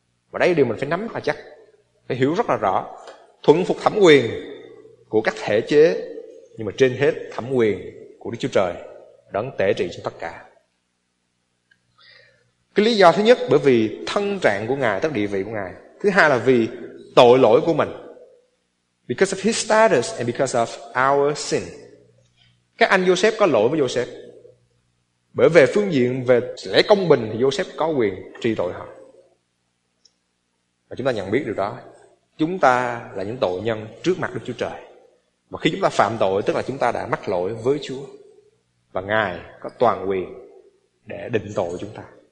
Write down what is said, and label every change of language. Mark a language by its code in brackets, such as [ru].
[vi] Và đây là điều mình phải nắm là chắc, phải hiểu rất là rõ. Thuận phục thẩm quyền của các thể chế, nhưng mà trên hết thẩm quyền của Đức Chúa Trời, đấng tể trị trên tất cả. Cái lý do thứ nhất, bởi vì thân trạng của ngài, tức địa vị của ngài. Thứ hai là vì tội lỗi của mình. [en] Because of his status and because of our sin. [vi] Các anh Joseph có lỗi với Joseph. Bởi về phương diện về lẽ công bình thì Joseph có quyền trị tội họ. Và chúng ta nhận biết điều đó. Chúng ta là những tội nhân trước mặt Đức Chúa Trời. Và khi chúng ta phạm tội, tức là chúng ta đã mắc lỗi với Chúa. Và ngài có toàn quyền để định tội chúng ta.